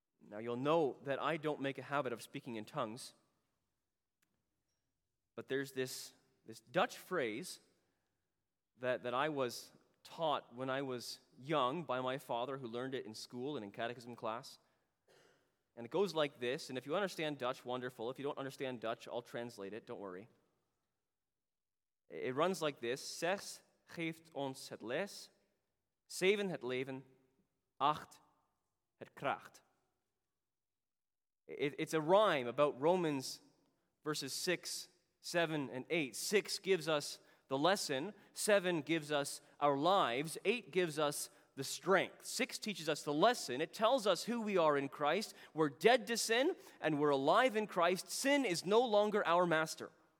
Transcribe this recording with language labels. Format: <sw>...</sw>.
<en>Now, you'll know that I don't make a habit of speaking in tongues, but there's this Dutch phrase that I was taught when I was young by my father, who learned it in school and in catechism class. And it goes like this, and if you understand Dutch, wonderful. If you don't understand Dutch, I'll translate it, don't worry. It runs like this:</en> <nl>Zes geeft ons het les, zeven het leven, acht het kracht.</nl> <en>It's a rhyme about Romans verses 6, 7, and 8. 6 gives us the lesson, 7 gives us our lives, 8 gives us the strength. 6 teaches us the lesson. It tells us who we are in Christ. We're dead to sin, and we're alive in Christ. Sin is no longer our master.</en>